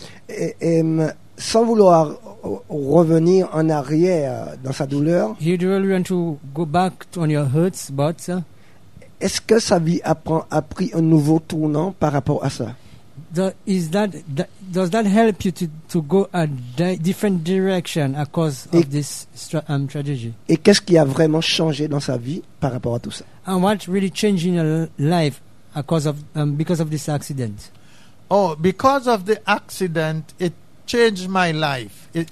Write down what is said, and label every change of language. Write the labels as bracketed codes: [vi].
[fr] Et sans vouloir revenir en arrière dans sa douleur. [en] You do really want to go back on your hurts, but. [fr] Est-ce que sa vie a pris un nouveau tournant par rapport à ça? [en] Does that help you to go a different direction [fr] à cause [en] of this tragedy? [fr] Et qu'est-ce qui a vraiment changé dans sa vie par rapport à tout ça? [en] And what really changed in your life a cause of because of this accident? Oh, because of the accident, it changed my life.